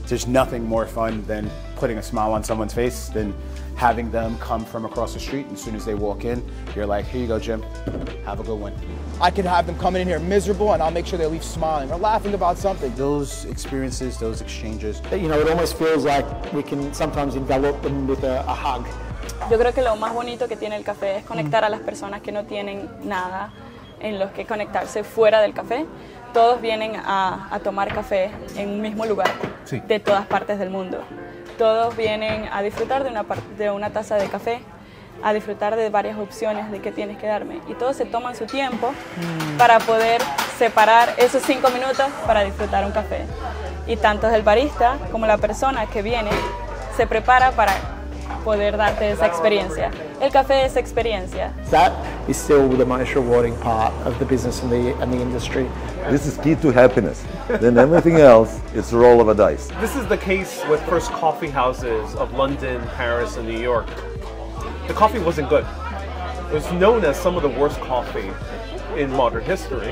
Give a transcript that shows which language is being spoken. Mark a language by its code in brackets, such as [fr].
[en] There's nothing more fun than putting a smile on someone's face than having them come from across the street, and as soon as they walk in, you're like, here you go, Jim, have a good one. I could have them come in here miserable and I'll make sure they leave smiling or laughing about something. Those experiences, those exchanges. You know, it almost feels like we can sometimes envelop them with a hug. [es] Yo creo que lo más bonito que tiene el café es conectar a las personas que no tienen nada en los que conectarse fuera del café. todos vienen a tomar café en un mismo lugar sí. de todas partes del mundo. Todos vienen a disfrutar de una taza de café, a disfrutar de varias opciones de qué tienes que darme. Y todos se toman su tiempo para poder separar esos 5 minutos para disfrutar un café. Y tanto el barista como la persona que viene se prepara para poder darte esa experiencia. El café es experiencia. [en] That is still the most rewarding part of the business and the industry. This is key to happiness. Then everything else is a roll of a dice. This is the case with first coffee houses of London, Paris, and New York. The coffee wasn't good. It was known as some of the worst coffee in modern history.